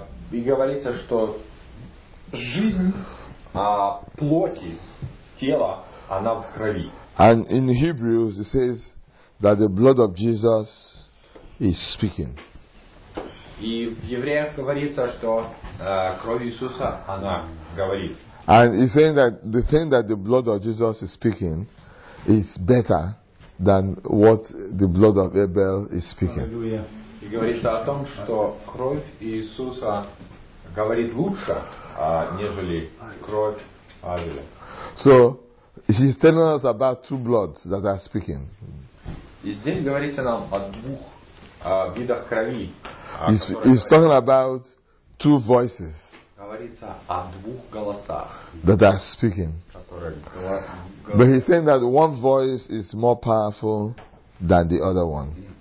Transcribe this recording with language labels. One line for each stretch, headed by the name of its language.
Russian: И говорится, что жизнь плоти, тела, она в крови.
English: And in Hebrews it says that the blood of Jesus is speaking.
Russian: И в Евреях говорится, что кровь Иисуса, она говорит.
English: And he's saying that the thing that the blood of Jesus is speaking is better than what the blood of Abel is speaking.
Russian: И говорится о том, что кровь Иисуса говорит лучше, нежели кровь Авеля.
English: So, he's telling us about two bloods that are speaking.
Russian: И здесь говорится нам о двух видах крови.
English: He's talking about two voices that are speaking. But he's saying that one voice is more powerful than the other one.